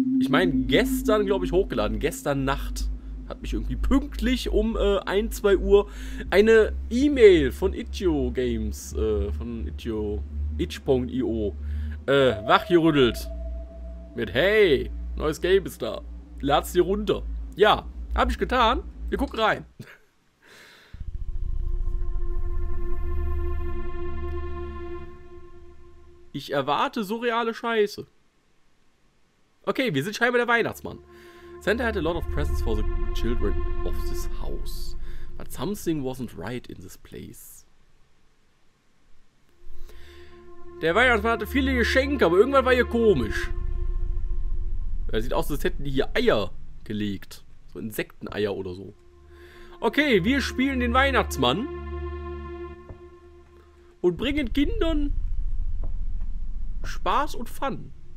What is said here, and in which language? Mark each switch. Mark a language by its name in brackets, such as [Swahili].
[German] hochgeladen, gestern Nacht, hat mich irgendwie pünktlich um 1-2 Uhr eine E-Mail von Itch.io Games, itch.io, wachgerüttelt, mit: Hey, neues Game ist da, lad's dir runter. Ja, hab ich getan, wir gucken rein. Ich erwarte surreale Scheiße. Okay, wir sind scheinbar der Weihnachtsmann. [English] Santa had a lot of presents for the children of this house. But something wasn't right in this place. [German] Der Weihnachtsmann hatte viele Geschenke, aber irgendwann war hier komisch. Er sieht aus, als hätten die hier Eier gelegt. So Insekteneier oder so. Okay, wir spielen den Weihnachtsmann. Und bringen Kindern Spaß und Fun.